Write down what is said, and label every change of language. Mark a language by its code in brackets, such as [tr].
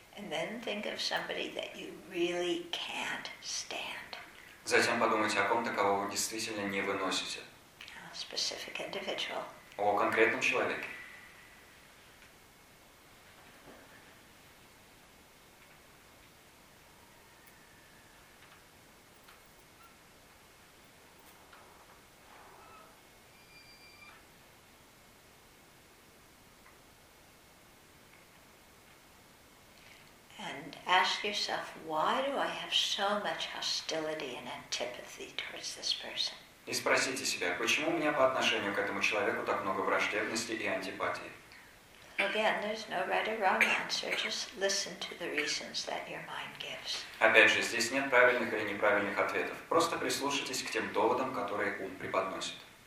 [en] Then think of somebody that you really can't stand. [ru] Затем подумайте о ком-то, кого вы действительно не выносите. [en] A specific individual. [ru] О конкретном человеке. [en] Ask yourself, why do I have so much hostility and antipathy towards this person? [ru] И спросите себя, почему у меня по отношению к этому человеку так много враждебности и антипатии? [en] Again, there's no right or wrong answer. Just listen to the reasons that your mind gives. [ru] Опять же, здесь нет правильных или неправильных ответов. Просто прислушайтесь к тем доводам, которые ум преподносит.